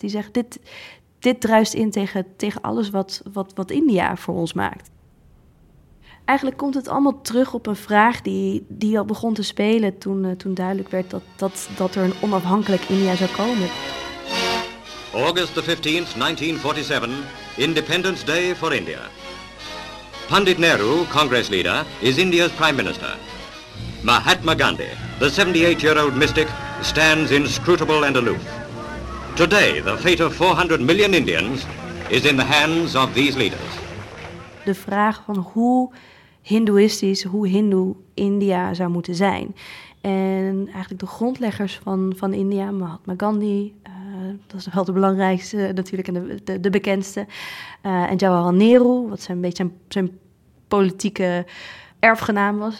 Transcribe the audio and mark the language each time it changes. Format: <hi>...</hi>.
<nl>Die zeggen, dit druist in tegen alles wat India voor ons maakt. Eigenlijk komt het allemaal terug op een vraag die al begon te spelen toen duidelijk werd dat er een onafhankelijk India zou komen.</nl> <en>August the 15th, 1947, Independence Day for India. Pandit Nehru, Congress leader, is India's prime minister. Mahatma Gandhi, the 78-year-old mystic, stands inscrutable and aloof. Today, the fate of 400 million Indians is in the hands of these leaders.</en> <nl>De vraag van hoe hindoeïstisch, hoe hindoe India zou moeten zijn. En eigenlijk de grondleggers van India, Mahatma Gandhi, dat is wel de belangrijkste natuurlijk en de bekendste. En Jawaharlal Nehru, wat zijn een beetje zijn politieke erfgenaam was.</nl>